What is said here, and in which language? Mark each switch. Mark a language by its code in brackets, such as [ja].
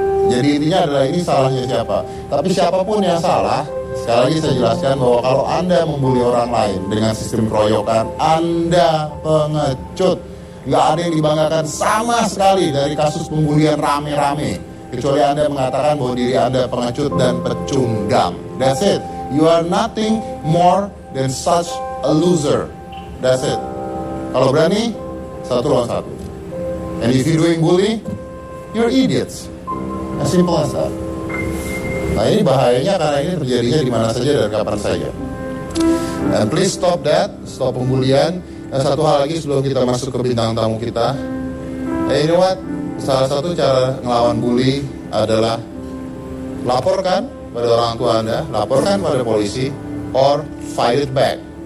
[id] Jadi intinya adalah ini salahnya siapa? Tapi siapapun yang salah, sekali lagi saya jelaskan bahwa kalau Anda membuli orang lain dengan sistem keroyokan, Anda pengecut. Gak ada yang dibanggakan sama sekali dari kasus pembulian rame-rame, kecuali Anda mengatakan bahwa diri Anda pengecut dan pecundang. [en] That's it. You are nothing more than such a loser. That's it. [id] Kalau berani, satu lawan satu. [en] And if you're doing bully, you're idiots. As simple as that. [id] Nah ini bahayanya karena ini terjadinya di mana saja dan kapan saja. [en] And please stop that, stop [id] pembulian. Dan satu hal lagi sebelum kita masuk ke bintang tamu kita. [en] Hey, you know what? [id] Salah satu cara ngelawan bully adalah laporkan pada orang tua Anda, laporkan pada polisi, [en] or fight it back.